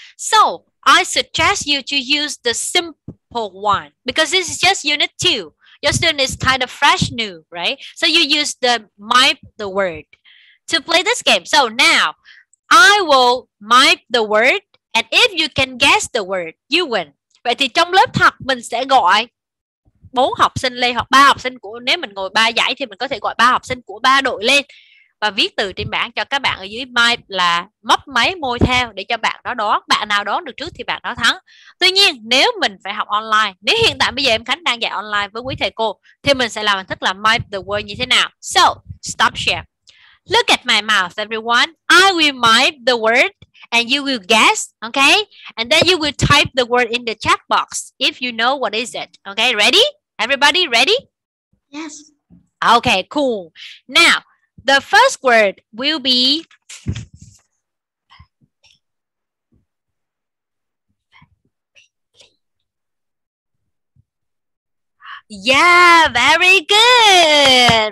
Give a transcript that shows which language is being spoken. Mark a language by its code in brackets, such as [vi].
[en] So I suggest you to use the simple one because this is just unit 2. Your student is kind of fresh new, right? So you use the make the word to play this game. So now I will make the word, and if you can guess the word, you win. [vi] Vậy thì trong lớp học mình sẽ gọi 4 học sinh lên hoặc 3 học sinh của, nếu mình ngồi 3 dãy thì mình có thể gọi 3 học sinh của 3 đội lên và viết từ trên bảng cho các bạn ở dưới mic là mấp máy môi theo để cho bạn đó đoán, bạn nào đoán được trước thì bạn đó thắng. Tuy nhiên nếu mình phải học online, nếu hiện tại bây giờ em Khánh đang dạy online với quý thầy cô thì mình sẽ làm hình thức là mic the word như thế nào. [en] So stop share. Look at my mouth everyone. I will mic the word and you will guess, okay? And then you will type the word in the chat box if you know what is it. Okay, ready? Everybody ready? Yes. Okay, cool. Now, the first word will be yeah, very good.